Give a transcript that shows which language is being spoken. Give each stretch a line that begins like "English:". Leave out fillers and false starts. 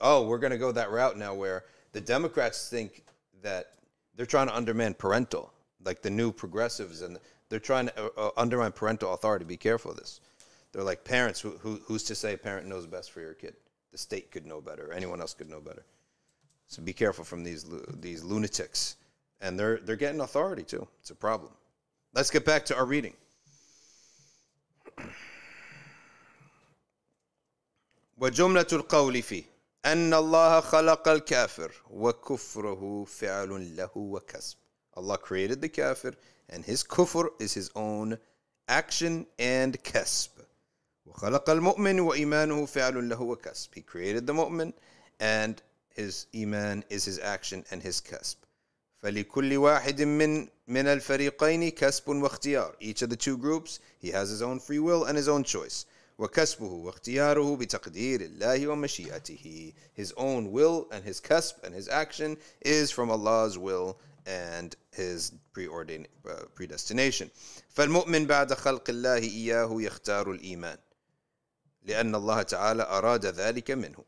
English: Oh, we're going to go that route now where the Democrats think that they're trying to undermine parental, like the new progressives, and they're trying to undermine parental authority. Be careful of this. They're like parents. Who's to say a parent knows best for your kid? The state could know better. Anyone else could know better. So be careful from these lunatics. And they're getting authority, too. It's a problem. Let's get back to our reading.
Arabic: وجملة القول في أن الله خلق الكافر وكفره فعل له وكسب.
English: Allah created the kafir, and his kufr is his own action and kasb.
Arabic: وخلق المؤمن وإيمانه فعل له وكسب.
English: He created the mu'min, and his iman is his action and his kasb.
Arabic: فلكل واحد من الفريقين كسب واختيار.
English: Each of the two groups, he has his own free will and his own choice.
Arabic: وَكَسْبُهُ وَاخْتِيَارُهُ بِتَقْدِيرِ اللَّهِ وَمَشِيَاتِهِ.
English: His own will and his kasb and his action is from Allah's will and his predestination.
Arabic: فَالْمُؤْمِنْ بَعْدَ خَلْقِ اللَّهِ إِيَّاهُ يَخْتَارُ الْإِيمَانِ لِأَنَّ اللَّهَ تَعَالَى أَرَادَ ذَلِكَ مِنْهُ.